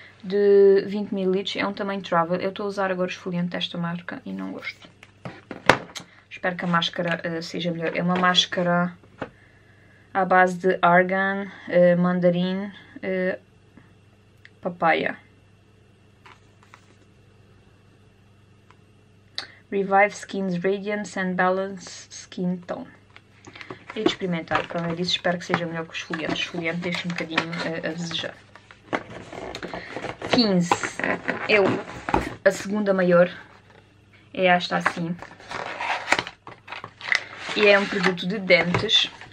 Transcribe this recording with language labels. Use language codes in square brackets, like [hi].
[pt] de 20 ml, é um tamanho travel. Eu estou a usar agora o esfoliante desta marca e não gosto. Espero que a máscara seja melhor. É uma máscara à base de argan, mandarim, papaya. [en] Revive Skin's Radiance and Balance Skin Tone. [pt] Hei de experimentar, como eu disse, espero que seja melhor que o esfoliante. O esfoliante deixa um bocadinho a desejar. 15. É a segunda maior. É esta assim. E é um produto de dentes.